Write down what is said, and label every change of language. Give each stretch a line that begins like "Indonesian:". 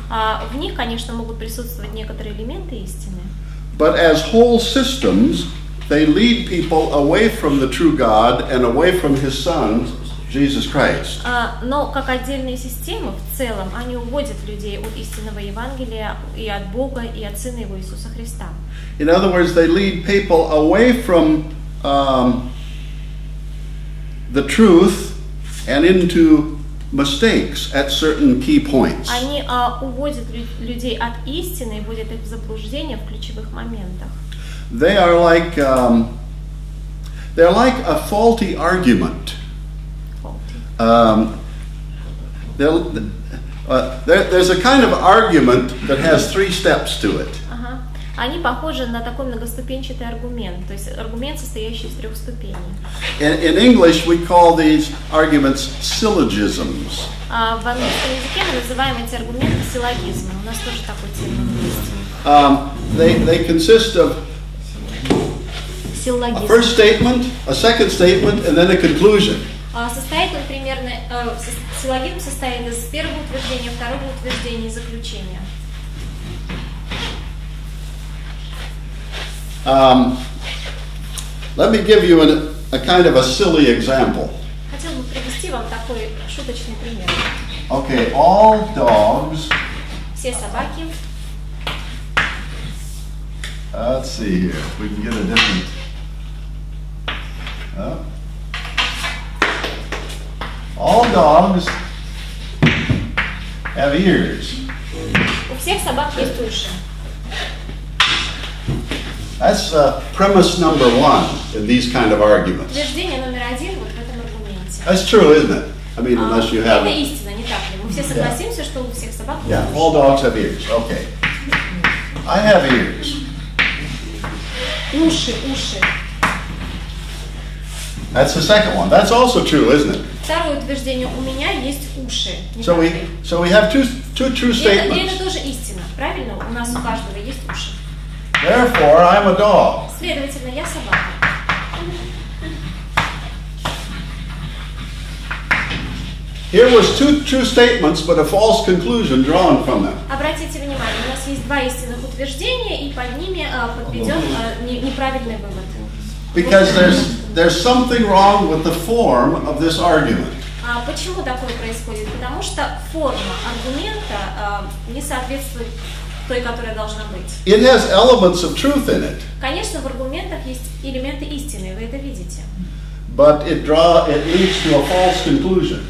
Russian: В них, конечно, могут присутствовать некоторые элементы истины.
English: But as whole systems, they lead people away from the true God and away from His Son, Jesus Christ.
Russian: Но как отдельные системы, в целом, они уводят людей от истинного Евангелия и от Бога, и от Сына Его Иисуса Христа.
English: In other words, they lead people away from the truth and into mistakes at certain key points.
Russian: Они уводят людей от истины и вводят их в заблуждение в ключевых моментах.
English: They are like They're like a faulty argument. There's a kind of argument that has three steps to it.
Russian: Они похожи на такой многоступенчатый аргумент, то есть аргумент, состоящий из трех ступеней.
English: In English we call these arguments syllogisms.
Russian: В английском языке мы называем эти аргументы силлогизмы. У нас тоже такой термин есть.
English: They consist of syllogism. A first statement, a second statement, and then a conclusion.
Russian: Состоит, например, силлогизм состоит из первого утверждения, второго утверждения и заключения.
English: Let me give you a kind of a silly example.
Russian: Хотел бы привести вам такой шуточный пример.
English: Okay, all dogs.
Russian: Все собаки.
English: Let's see here. If we can get a different. All dogs have ears.
Russian: У всех собак есть уши.
English: That's premise number one in these kind of arguments.
Russian: Утверждение номер один вот в этом аргументе.
English: That's true, isn't it? I mean, unless you have.
Russian: Это истина, не так ли? Мы все согласимся, что у всех собак есть.
English: Yeah, all dogs have ears. Okay. I have ears.
Russian: Уши, уши.
English: That's the second one. That's also true, isn't it?
Russian: Второе утверждение. У меня есть уши.
English: So we have two true statements.
Russian: Это тоже истина, правильно? У нас у каждого есть уши.
English: Therefore, I'm a dog.
Russian: Следовательно, я собака.
English: Here was two true statements, but a false conclusion drawn from them.
Russian: Обратите внимание, у нас есть два истинных утверждения, и под ними подведен неправильный вывод.
English: Because there's something wrong with the form of this argument.
Russian: Почему такое происходит? Потому что форма аргумента не соответствует той, которая должна быть.
English: It has elements of truth in it.
Russian: Конечно, в аргументах есть элементы истины, вы это видите.
English: But it leads to a false conclusion.